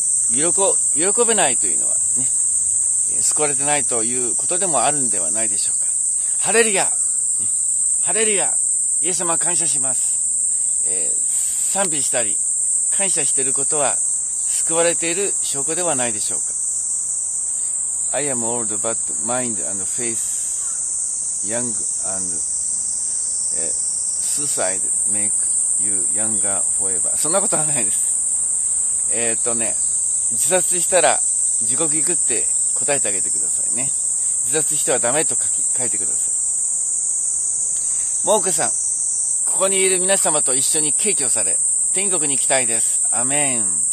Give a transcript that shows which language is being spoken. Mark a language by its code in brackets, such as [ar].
[ja] 喜べないというのはね、救われてないということでもあるんではないでしょうか。ハレルヤ、ハレルヤ、イエス様感謝します。賛美したり感謝していることは救われている証拠ではないでしょうか。 [en] I am old but mind and face young and suicide make you younger forever。 [ja] そんなことはないです。自殺したら地獄行くって答えてあげてくださいね。自殺してはダメと書いてください。モークさん、ここにいる皆様と一緒に敬虔され天国に行きたいです。アメン。